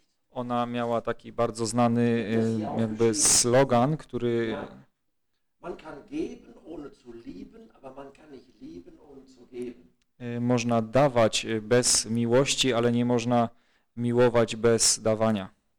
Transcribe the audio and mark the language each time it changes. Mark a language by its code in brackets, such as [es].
[pl] Ona miała taki bardzo znany jakby slogan, który... [de] Man kann geben ohne zu lieben, aber man kann nicht lieben ohne zu geben. [pl] Można dawać bez miłości, ale nie można miłować bez dawania.